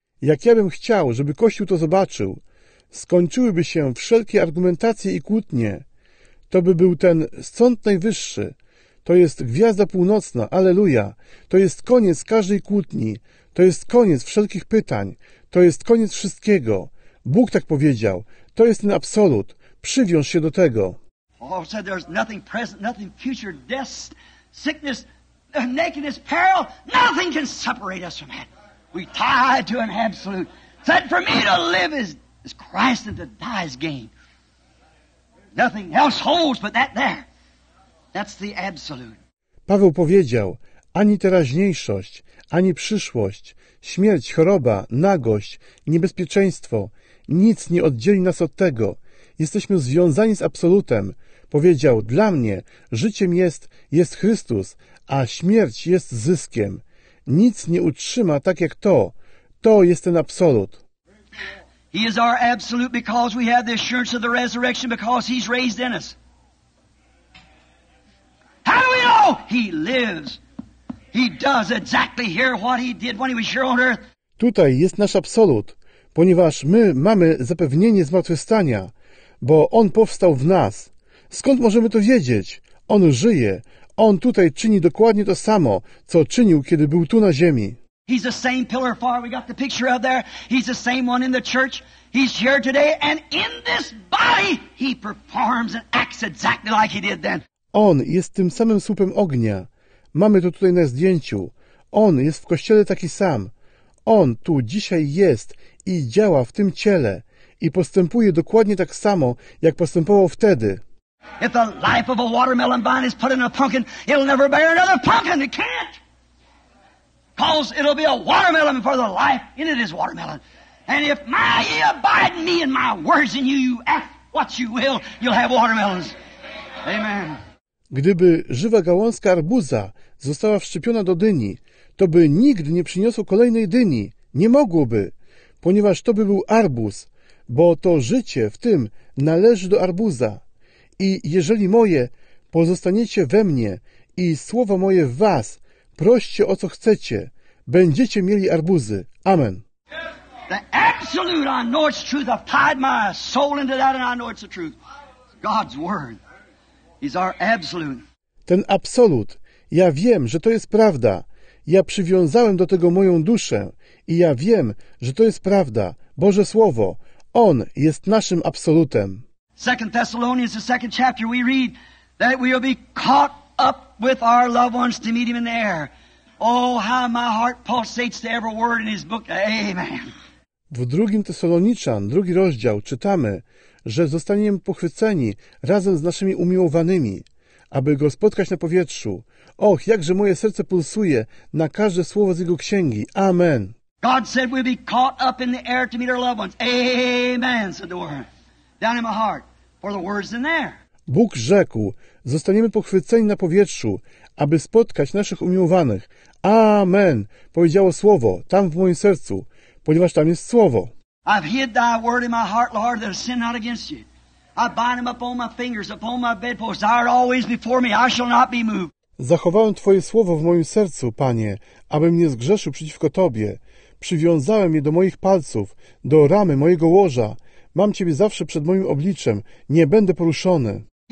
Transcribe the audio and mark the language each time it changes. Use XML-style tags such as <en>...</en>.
<pl>Jak ja bym chciał, żeby Kościół to zobaczył, skończyłyby się wszelkie argumentacje i kłótnie. To by był ten Sąd Najwyższy. To jest Gwiazda Północna. Alleluja. To jest koniec każdej kłótni. To jest koniec wszelkich pytań. To jest koniec wszystkiego. Bóg tak powiedział. To jest ten absolut. Przywiąż się do tego.</pl> <en>Paul said there's nothing present, nothing future, death, sickness, nakedness, peril. Nothing can separate us from that. We tied to an absolute. Said for me to live is Christ and to die is gain. Nothing else holds but that there. That's the absolute.</en> <pl>Paweł powiedział, ani teraźniejszość, ani przyszłość, śmierć, choroba, nagość, niebezpieczeństwo, nic nie oddzieli nas od tego. Jesteśmy związani z absolutem. Powiedział, dla mnie życiem jest Chrystus, a śmierć jest zyskiem. Nic nie utrzyma tak jak to. To jest ten absolut.</pl> <en>He is our absolute because we have the assurance of the resurrection because he's raised in us. How do we know? He lives. He does exactly here what he did when he was here on earth.</en> <pl>Tutaj jest nasz absolut, ponieważ my mamy zapewnienie zmartwychwstania, bo on powstał w nas. Skąd możemy to wiedzieć? On żyje. On tutaj czyni dokładnie to samo, co czynił, kiedy był tu na ziemi.</pl> <en>He's the same pillar of fire. We got the picture of there. He's the same one in the church. He's here today and in this body he performs and acts exactly like he did then.</en> <pl>On jest tym samym słupem ognia. Mamy to tutaj na zdjęciu. On jest w kościele taki sam. On tu dzisiaj jest i działa w tym ciele i postępuje dokładnie tak samo, jak postępował wtedy.</pl> <en>If the life of a watermelon vine is put in a pumpkin, it'll never bear another pumpkin. It can't. Because it'll be a watermelon for the life in it is watermelon. And if ye abide in me and my words in you, you ask what you will, you'll have watermelons. Amen.</en> <pl>Gdyby żywa gałązka arbuza została wszczepiona do dyni, to by nigdy nie przyniosło kolejnej dyni. Nie mogłoby, ponieważ to by był arbuz, bo to życie w tym należy do arbuza. I jeżeli moje pozostaniecie we mnie i słowo moje w was, proście o co chcecie, będziecie mieli arbuzy. Amen.</pl> <en>The absolute, I know it's truth. I've tied my soul into that and I know it's the truth. God's word. He's our absolute.</en> <pl>Ten absolut, ja wiem, że to jest prawda. Ja przywiązałem do tego moją duszę i ja wiem, że to jest prawda. Boże Słowo, On jest naszym absolutem.</pl> <en>2 Thessalonians, the second chapter, we read that we will be caught up with our loved ones to meet him in the air. Oh, how my heart pulsates to every word in his book. Amen.</en> <pl>W 2 Tesaloniczan, 2 rozdział, czytamy, że zostaniemy pochwyceni razem z naszymi umiłowanymi, aby go spotkać na powietrzu. Och, jakże moje serce pulsuje na każde słowo z jego księgi. Amen.</pl> <en>God said we'll be caught up in the air to meet our loved ones. Amen, said the word. Down in my heart, for the words in there.</en> <pl>Bóg rzekł, zostaniemy pochwyceni na powietrzu, aby spotkać naszych umiłowanych. Amen, powiedziało słowo, tam w moim sercu, ponieważ tam jest słowo.</pl> <en>I've hid thy word in my heart, Lord, that I sin not against you. I bind him up on my fingers, upon my bedpost. Thou art always before me, I shall not be moved.</en> <pl>Zachowałem Twoje słowo w moim sercu, Panie, abym nie zgrzeszył przeciwko Tobie. Przywiązałem je do moich palców, do ramy mojego łoża. Mam Ciebie zawsze przed moim obliczem. Nie będę poruszony.</pl>